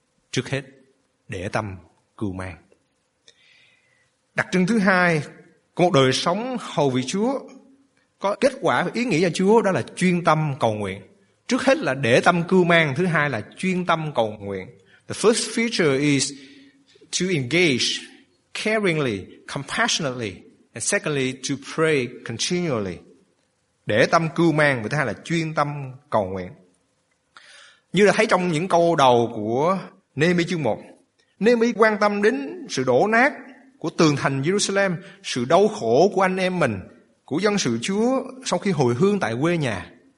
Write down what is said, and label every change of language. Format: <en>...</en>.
<vi>Trước hết, để tâm cưu mang. Đặc trưng thứ hai của một đời sống hầu việc Chúa có kết quả và ý nghĩa cho Chúa, đó là chuyên tâm cầu nguyện. Trước hết là để tâm cưu mang, thứ hai là chuyên tâm cầu nguyện.</vi> <en>The first feature is to engage caringly, compassionately, and secondly to pray continually.</en> <vi>Để tâm cưu mang, và thứ hai là chuyên tâm cầu nguyện. Như là thấy trong những câu đầu của Nê-mi chương 1, Nê-mi quan tâm đến sự đổ nát của tường thành Jerusalem, sự đau khổ của anh em mình, của dân sự Chúa sau khi hồi hương tại quê nhà.</vi>